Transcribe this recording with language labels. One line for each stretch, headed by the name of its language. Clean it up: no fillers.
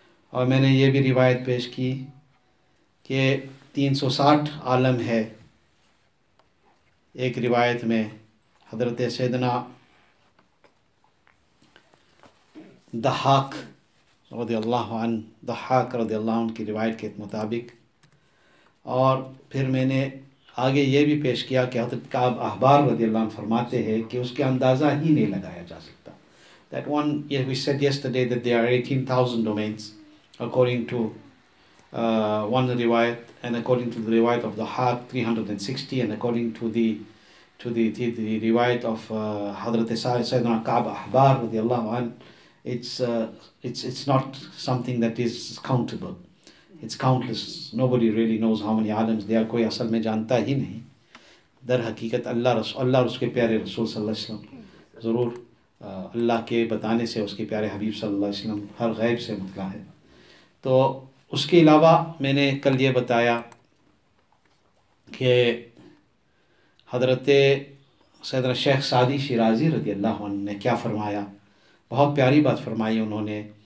Urdu: اور میں نے یہ بھی روایت پیش کی کہ 360 عالم ہے ایک روایت میں, حضرت سیدنا دحاک رضی اللہ عنہ, دحاک رضی اللہ عنہ کی روایت کے مطابق. اور پھر میں نے آگے یہ بھی پیش کیا کہ حضرت کعب احبار رضی اللہ عنہ فرماتے ہیں کہ اس کے اندازہ ہی نہیں لگایا جا سکتا.
English: That one, yeah, we said yesterday that there are 18,000 domains according to one riwayat, and according to the riwayat of the Dhahaq 360, and according to the riwayat of Hadrat Sayyidina Ka'b Ahbar رضی اللہ عنہ, it's not something that is countable. It's countless. Nobody really knows how many alams there are.
Urdu: کوئی اصل میں جانتا ہی نہیں. در حقیقت اللہ اور اس کے پیارے رسول صلی اللہ علیہ وسلم ضرور اللہ کے بتانے سے اس کے پیارے حبیب صلی اللہ علیہ وسلم ہر غیب سے مطلع ہے. تو اس کے علاوہ میں نے کل یہ بتایا کہ حضرت سیدنا شیخ سعدی شیرازی رضی اللہ عنہ نے کیا فرمایا, بہت پیاری بات فرمائی انہوں نے.